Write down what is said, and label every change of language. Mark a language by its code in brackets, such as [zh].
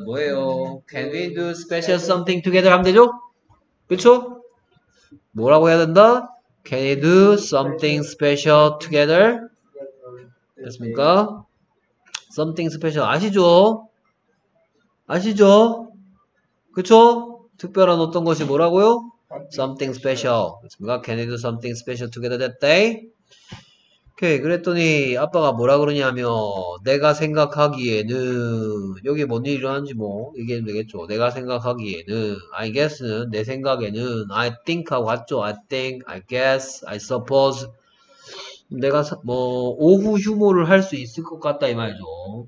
[ko] 뭐예요? [en] Can we do special something together [ko] 하면 되죠? 그쵸? 뭐라고 해야 된다? [en] Can we do something special together? [ko] 됐습니까? Something special 아시죠? 아시죠? 그쵸? 특별한 어떤 것이 뭐라고요? [en] Something special. [ko] 됐습니까? [en] Can we do something special together that day? [ko] 오케이. 그랬더니 아빠가 뭐라 그러냐면 내가 생각하기에는 여기 뭔 일이 일어난지 뭐 이게 되겠죠. 내가 생각하기에는 [en] I guess [ko] 는 내 생각에는 [en] I think [ko] 하고 왔죠. [en] I think, I guess, I suppose. [ko] 내가 뭐 오후 휴무를 할수 있을 것 같다 이 말이죠.